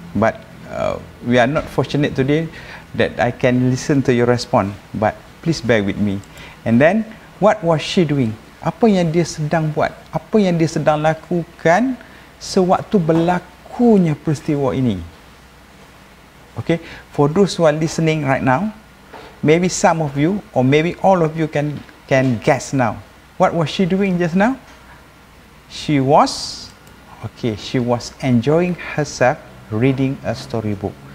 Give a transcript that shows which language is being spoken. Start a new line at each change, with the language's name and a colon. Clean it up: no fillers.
English: But we are not fortunate today that I can listen to your response. But please bear with me. And then, what was she doing?
Malay: Apa yang dia sedang buat? Apa yang dia sedang lakukan sewaktu berlakunya peristiwa ini?
English: Okay, for those who are listening right now, maybe some of you or maybe all of you can guess now. What was she doing just now? She was enjoying herself reading a storybook.